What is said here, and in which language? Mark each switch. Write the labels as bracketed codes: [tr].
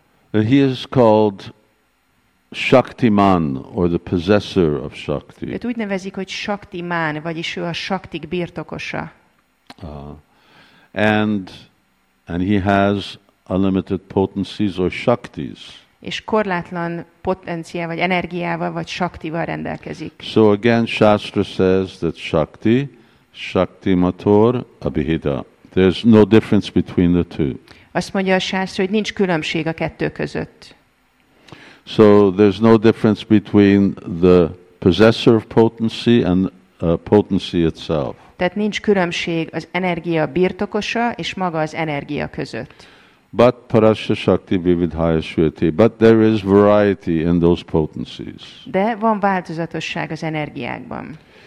[en] He is called Shaktiman, or the possessor of shakti. [hu] Őt úgy nevezik, hogy Shaktiman, vagyis ő a shaktik birtokosa. [en] And he has unlimited potencies or shaktis. [hu] És korlátlan potenciál vagy energiával vagy shaktival rendelkezik. [en] So again, Shastra says that shakti, shaktimator, abhida. There's no difference between the two. [hu] Azt mondja a Shastra, hogy nincs különbség a kettő között. [en] So there's no difference between the possessor of potency and potency itself. [hu] Tehát nincs különbség az energia birtokosa és maga az energia között. [en] But [sa] parasya shakti vividhaya shruyate. [en] But there is variety in those potencies. [hu] De van változatosság az energiákban.